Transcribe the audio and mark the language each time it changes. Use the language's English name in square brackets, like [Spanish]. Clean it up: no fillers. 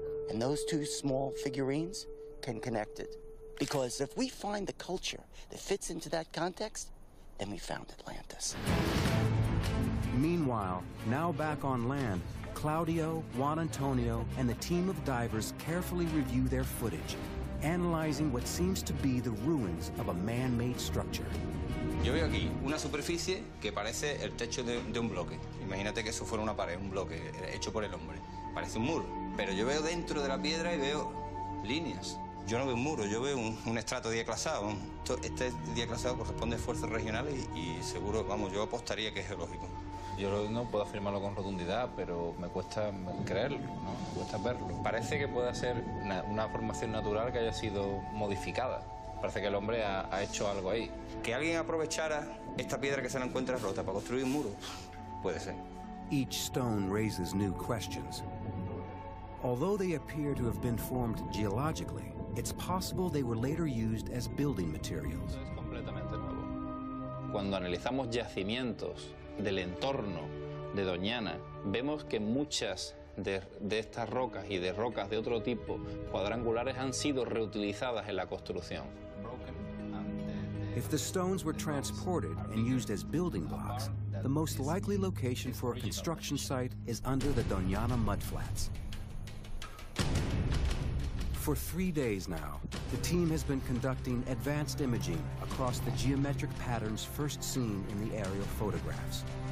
[English] And those two small figurines can connect it. Because if we find the culture that fits into that context, then we found Atlantis. Meanwhile, now back on land, Claudio, Juan Antonio, and the team of divers carefully review their footage, analyzing what seems to be the ruins of a man-made structure. [Spanish] Yo veo aquí una superficie que parece el techo de un bloque. Imagínate que eso fuera una pared, un bloque hecho por el hombre. Parece un muro. Pero yo veo dentro de la piedra y veo líneas. Yo no veo un muro, yo veo un estrato diaclasado. Este diaclasado corresponde a fuerzas regionales y seguro, vamos, yo apostaría que es geológico. Yo no puedo afirmarlo con rotundidad, pero me cuesta creerlo, ¿no? Me cuesta verlo. Parece que puede ser una formación natural que haya sido modificada. Parece que el hombre ha hecho algo ahí. Que alguien aprovechara esta piedra que se la encuentra rota para construir un muro, puede ser. [English] Each stone raises new questions. Although they appear to have been formed geologically, it's possible they were later used as building materials. [Spanish] Es completamente nuevo. Cuando analizamos yacimientos del entorno de Doñana, vemos que muchas de estas rocas y de rocas de otro tipo cuadrangulares han sido reutilizadas en la construcción. [English] If the stones were transported and used as building blocks, the most likely location for a construction site is under the Doñana mudflats. For 3 days now, the team has been conducting advanced imaging across the geometric patterns first seen in the aerial photographs.